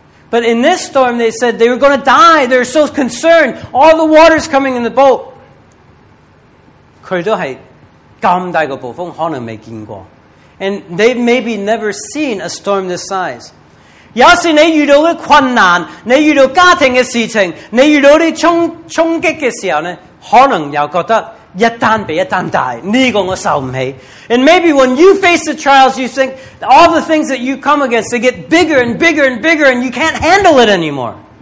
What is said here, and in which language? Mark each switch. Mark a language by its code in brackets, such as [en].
[en] But in this storm, they said they were going to die. They're so concerned. All the water's coming in the boat. [zh] 他们都是这么大的暴风,可能没见过。 [en] And they've maybe never seen a storm this size. [zh] 要是你遇到的困难,你遇到家庭的事情,你遇到的冲击的时候,可能又觉得一单比一单大,这个我受不起。 [en] And maybe when you face the trials, you think all the things that you come against, they get bigger and bigger and bigger, and you can't handle it anymore.